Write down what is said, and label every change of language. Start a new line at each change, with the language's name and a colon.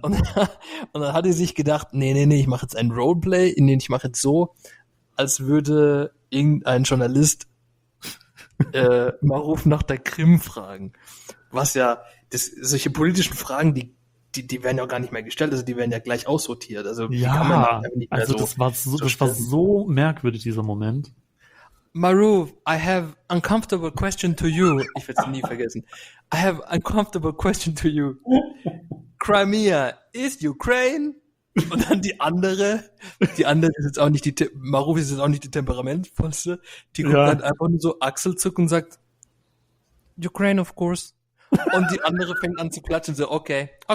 German: Und dann hat sie sich gedacht, nee, ich mache jetzt ein Roleplay, in dem ich mache jetzt so, als würde irgendein Journalist Maruf nach der Krim fragen. Was ja, solche politischen Fragen, die werden ja auch gar nicht mehr gestellt, also die werden ja gleich aussortiert. Also ja, kann man nicht also mehr so, das war so merkwürdig, dieser Moment.
English: Maruf, I have uncomfortable question to you.
German: Ich werde es nie vergessen.
English: I have uncomfortable question to you. Crimea is Ukraine?
German: Und dann die andere ist jetzt auch nicht Maruf ist jetzt auch nicht die temperamentvollste, die guckt dann einfach nur so Achselzucken und sagt,
English: Ukraine, of course.
German: Und die andere fängt an zu klatschen, so, okay.